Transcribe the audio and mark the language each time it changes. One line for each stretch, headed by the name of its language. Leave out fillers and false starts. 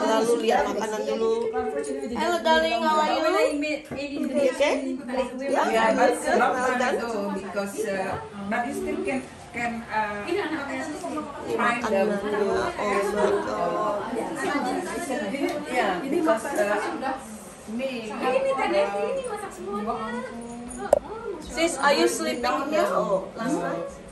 Indonesian: Selalu lihat makanan dulu.
English: Hello darling, how are you? Okay. Yeah, yeah, but not well done though because but you still can find the food also. Yeah.
Indonesian: Ini tadi ini masak semuanya.
English: Sis, are you sleeping here or last night?